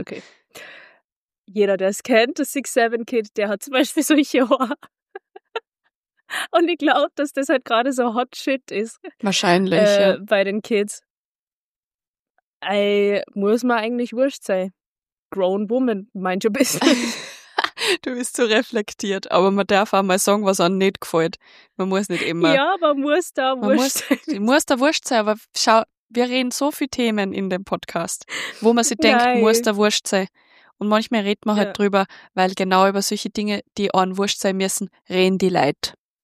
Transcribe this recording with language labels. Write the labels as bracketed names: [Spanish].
[German] Okay. Jeder, der es kennt, der 6-7 Kid, der hat zum Beispiel solche Haare. Und ich glaube, dass das halt gerade so Hot Shit ist. Wahrscheinlich, ja. Bei den Kids. Muss man eigentlich wurscht sein. [English] Grown woman, mind your business. [German] Du bist so reflektiert, aber man darf auch mal sagen, was einem nicht gefällt. Man muss nicht immer. Ja, man muss da wurscht sein. Man muss da wurscht sein, aber schau, wir reden so viele Themen in dem Podcast, wo man sich denkt, muss da wurscht sein. Und manchmal redet man halt drüber, weil genau über solche Dinge, die einem wurscht sein müssen, reden die Leute.